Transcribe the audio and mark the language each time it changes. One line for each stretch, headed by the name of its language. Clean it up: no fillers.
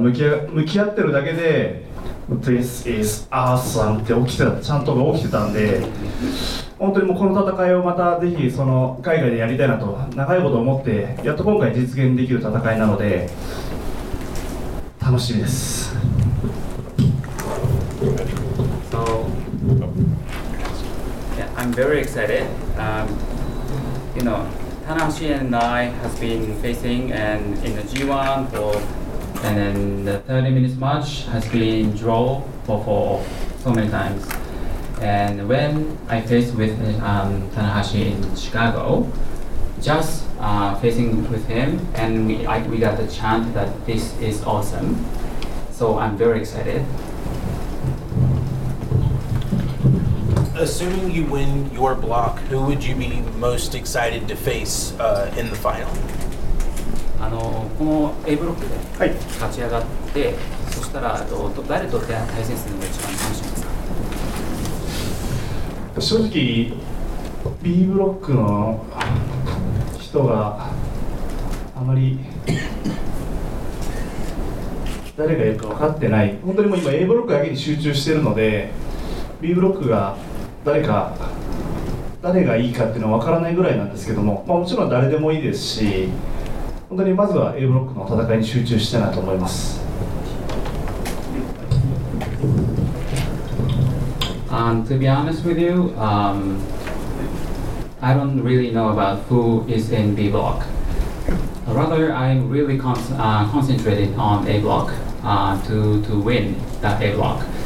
Japanese: それに関しても、どう思われますか？それは怖いですか？ちょっと楽しみですね。やっぱり楽しみですね。本当にもう、G1での棚橋戦っていうのはもうずっと30分、時間切れ引き分けが続いてましたし、やっぱりこう、毎回、本当にもうシカゴで僕と棚橋さんが向き合ってるだけで、
English: This is awesome
Japanese: って起きてたちゃんと起きてたんで、本当にもうこの戦いをまたぜひその海外でやりたいなと長いこと思ってやっと今回実現できる戦いなので楽しみです。
English: So, I'm very excited. You know, Tanahashi and I has been facing and in the G1 And then the 30 minutes match has been draw for so many times. And when I faced with Tanahashi in Chicago, just facing with him, and we got the chance that this is awesome. So I'm very excited. Assuming you win your block, who would you be most excited to face in the final?
Japanese: この A ブロックで勝ち上がって、そしたら誰と対戦するのが一番楽しみですか？正直 B ブロックの人があまり誰がいるか分かってない。本当にもう今 A ブロックだけに集中してるので、 B ブロックが誰がいいかっていうのは分からないぐらいなんですけども、まあ、もちろん誰でもいいですし、本当にまずは A ブロックの戦いに集中したいなと思います。
English: To be honest with you, I don't really know about who is in B block. Rather, I'm really concentrated on A block to win that A block.